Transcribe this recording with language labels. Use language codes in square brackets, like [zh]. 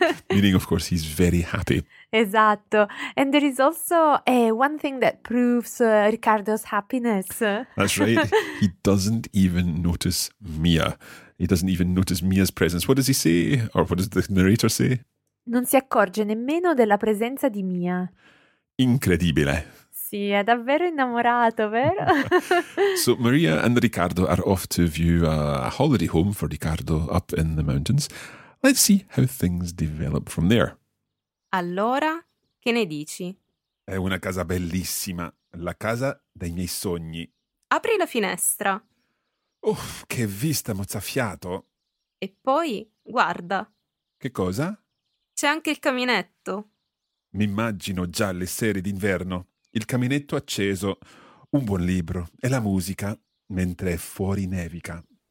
[en] Meaning, of course, he's very happy. [it] Esatto. [en] And there is also one thing that proves Riccardo's happiness. That's right. He doesn't even notice Mia. He doesn't even notice Mia's presence. What does he say? Or what does the narrator say? [it] Non si accorge nemmeno della presenza di Mia. Incredibile. Sì, è davvero innamorato, vero? [en] So Maria and Riccardo are off to view a holiday home for Riccardo up in the mountains. Let's see how things develop from there. [it] Allora, che ne dici? È una casa bellissima, la casa dei miei sogni. Apri la finestra. Uff, che vista, mozzafiato! E poi, guarda. Che cosa? C'è anche il caminetto. Mi immagino già le sere d'inverno, il caminetto acceso, un buon libro e la musica mentre è fuori nevica.